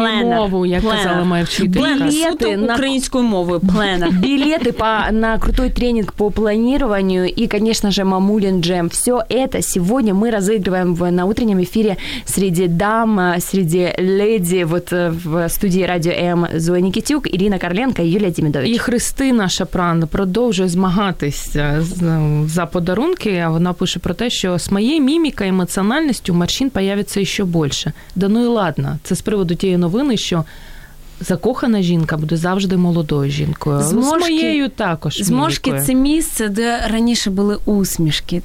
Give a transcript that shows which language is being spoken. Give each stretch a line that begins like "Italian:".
Ukrainian: Мову, як казала моя вчителька. Суто українською мовою. Пленер.
Russian: Білети на крутой тренинг по планированию и, конечно же, мамулин джем. Все это сегодня мы разыгрываем на утреннем эфире среди дам, среди леди вот в студии Радио М. Зоя Никитюк, Ирина Карленко и Юлия Демидович. И Христина Шапран продолжает
Ukrainian: змагатися за подарунки.
Russian: Она пишет про то, что с моей міміка емоціональністю морщин появиться
Ukrainian: ще більше. Да ну і ладно, це з приводу тієї новини, що закохана жінка буде завжди молодою жінкою. Зможки, з моєю також. Зможки – це місце, де раніше були усмішки.